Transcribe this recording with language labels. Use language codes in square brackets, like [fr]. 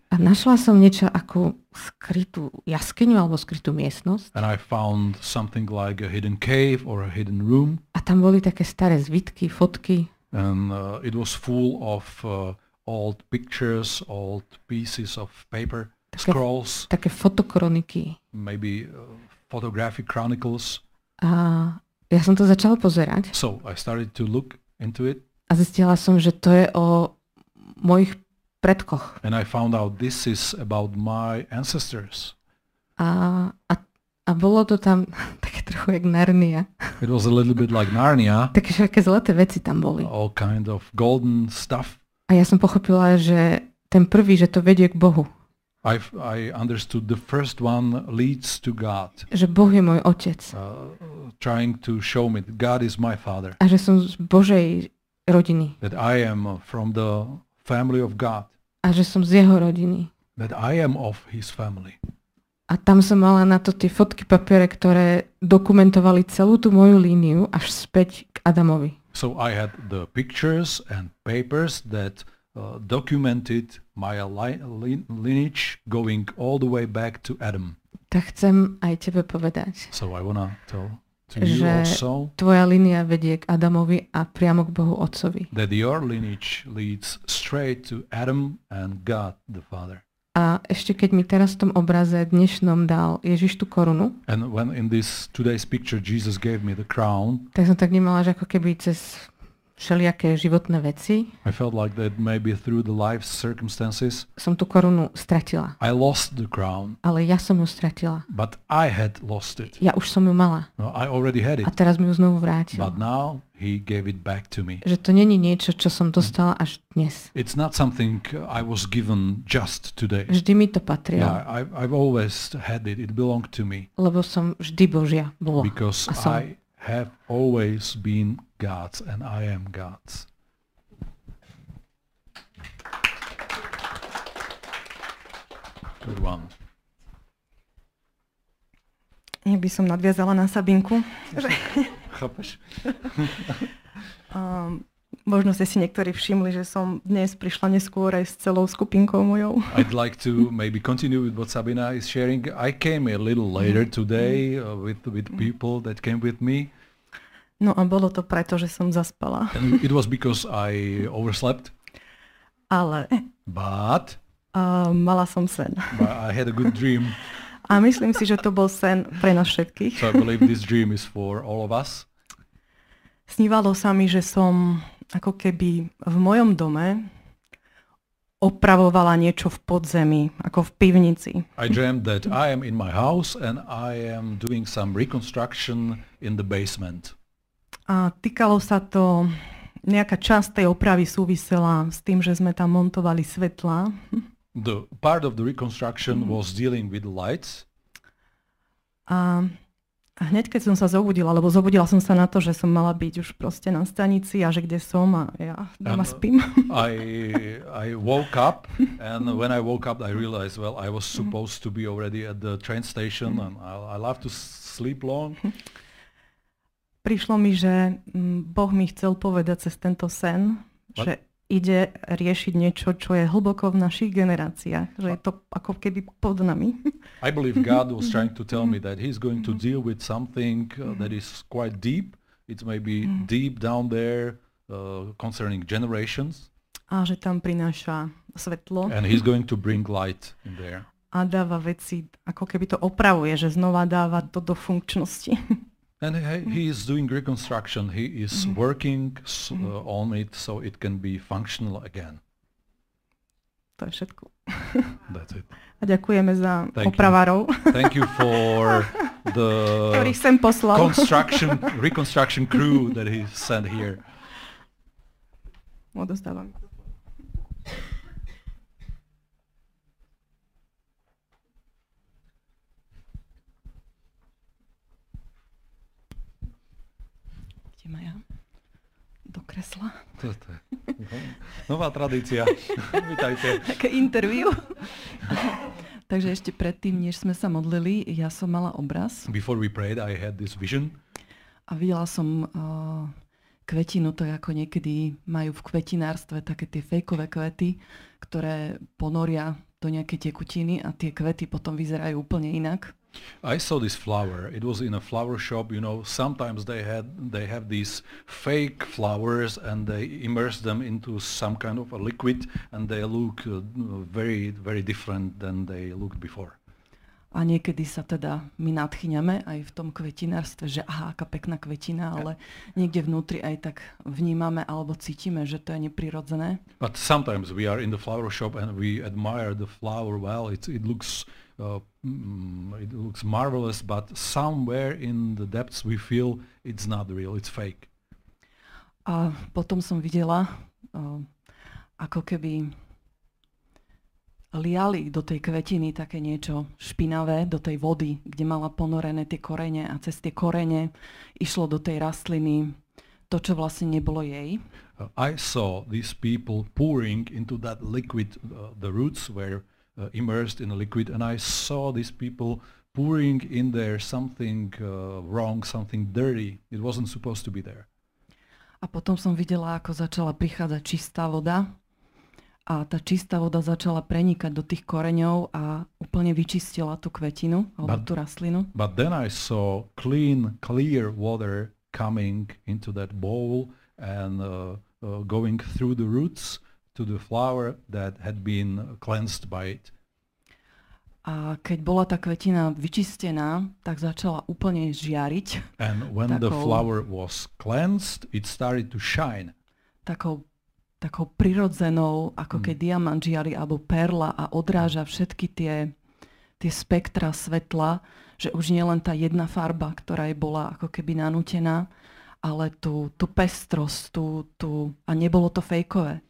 [sk] A našla som niečo ako skrytú jaskyňu alebo skrytú miestnosť. [en] And I found something like a hidden cave or a hidden room. [sk] A tam boli také staré zvitky, fotky. [en] And it was full of old pictures, old pieces of paper, [sk] také, [en] scrolls. [sk] Také fotokroniky. [en] Maybe photographic chronicles. [sk] A ja som to začala pozerať. [en] So I started to look into it. [sk] A zistila som, že to je o mojich predkoch. [en] And I found out this is about my ancestors. [sk] A bolo to tam také trochu jak Narnia. [en] It was a little bit like Narnia. [sk] Také všaké zlaté veci tam boli. [en] All kind of golden stuff. [sk] A ja som pochopila, že ten prvý, že to vedie k Bohu. [en] I understood the first one leads to God. [sk] Že Boh je môj otec. [en] Trying to show me that God is my father. [sk] A že som z Božej rodiny. [en] That I am from the family of God. [sk] A že som z jeho rodiny. [en] That I am of his family. [sk] A tam som mala na to tie fotky papiere, ktoré dokumentovali celú tú moju líniu až späť k Adamovi. [en] So I had the pictures and papers that documented my lineage going all the way back to Adam. [sk] Tak chcem aj tebe povedať. [en] So I wanna tell to you also. [sk] Tvoja línia vedie k Adamovi a priamo k Bohu Otcovi. [en] That your lineage leads straight to Adam and God the Father. [sk] A ešte keď mi teraz v tom obraze dnešnom dal Ježiš tú korunu, [en] and when in this today's picture Jesus gave me the crown, [sk] tak som tak vnímala, že ako keby cez všelijaké životné veci, [en] I felt like that maybe through the life circumstances, [sk] som tú korunu stratila. [en] I lost the crown, [sk] ale ja som ju stratila. [en] But I had lost it. [sk] Ja už som ju mala. [en] No, I already had it. [sk] A teraz mi ju znovu vrátil. [en] But now he gave it back to me. [sk] Že to nie je niečo, čo som dostala až dnes. [en] It's not something I was given just today. [sk] Vždy mi to patrilo. [en] Yeah, I've always had it. It belonged to me. [sk] Lebo som vždy Božia bola. [en] Because [sk] a som. [en] I have always been God's and I am God's. Good one. [sk] Ja by som nadviazala na Sabinku. Chápeš? možno ste si niektorí všimli, že som dnes prišla neskôr aj s celou skupinkou mojou. [en] I'd like to maybe continue with what Sabina is sharing. I came a little later today with people that came with me. [sk] No a bolo to preto, že som zaspala. [en] And it was because I overslept. [sk] Ale. [en] But. [sk] Mala som sen. [en] I had a good dream. [sk] A myslím si, že to bol sen pre nás všetkých. [en] So I believe this dream is for all of us. [sk] Snívalo sa mi, že som ako keby v mojom dome opravovala niečo v podzemí, ako v pivnici. [en] I dreamt that I am in my house and I am doing some reconstruction in the basement. [sk] A týkalo sa to, nejaká časť tej opravy súvisela s tým, že sme tam montovali svetlá. [en] The part of the reconstruction was dealing with lights. [sk] A hneď keď som sa zobudila, alebo zobudila som sa na to, že som mala byť už proste na stanici a že kde som a ja doma spím. [en] I woke up and when I woke up I realized, well, I was supposed to be already at the train station and I love to sleep long. [sk] Prišlo mi, že Boh mi chcel povedať cez tento sen, [en] what? [sk] Že ide riešiť niečo, čo je hlboko v našich generáciách, že je to ako keby pod nami. [en] I believe God was trying to tell me that he's going to deal with something that is quite deep. It may be deep down there concerning generations. [sk] A že tam prináša svetlo. [en] And he's going to bring light in there. [sk] A dáva veci, ako keby to opravuje, že znova dáva to do funkčnosti. [en] And he is doing reconstruction. He is working on it so it can be functional again. [sk] To je všetko. [en] That's it. [sk] A ďakujeme za opravárov. [en] Thank you for the [sk] ktorých sem poslal. [en] Reconstruction crew that he sent here. [sk] Odostávam. Maja, do kresla. To je to. Nová tradícia. Vítajte. Také interview. Takže ešte predtým, než sme sa modlili, ja som mala obraz. [en] Before we prayed, I had this vision. [sk] A videla som kvetinu, to ako niekedy majú v kvetinárstve také tie fejkové kvety, ktoré ponoria do nejakej tekutiny a tie kvety potom vyzerajú úplne inak. [en] I saw this flower. It was in a flower shop, you know, sometimes they have these fake flowers and they immerse them into some kind of a liquid and they look very, very different than they looked before. [sk] A niekedy sa teda my nadchýňame aj v tom kvetinárstve, že aha, aká pekná kvetina, ale niekde vnútri aj tak vnímame alebo cítime, že to je neprirodzené. [en] But sometimes we are in the flower shop and we admire the flower, well, it looks it looks marvelous, but somewhere in the depths we feel it's not real, it's fake. [sk] A potom som videla ako keby liali do tej kvetiny také niečo špinavé, do tej vody, kde mala ponorené tie korene a cez tie korene išlo do tej rastliny to, čo vlastne nebolo jej. [en] I saw these people pouring into that liquid, the roots were immersed in a liquid, and I saw these people pouring in there something wrong, something dirty. It wasn't supposed to be there. [sk] A potom som videla, ako začala prichádzať čistá voda. A tá čistá voda začala prenikať do tých koreňov a úplne vyčistila tú kvetinu alebo tú rastlinu. [en] But then I saw clear water coming into that bowl and going through the roots to the flower that had been cleansed by it. [sk] A keď bola tá kvetina vyčistená, tak začala úplne žiariť. [en] And when the flower was cleansed, it started to shine. [sk] Takou prirodzenou, ako keď diamant žiari alebo perla a odráža všetky tie spektra svetla, že už nie len tá jedna farba, ktorá je bola ako keby nanútená, ale tú pestrosť, tú a nebolo to fejkové.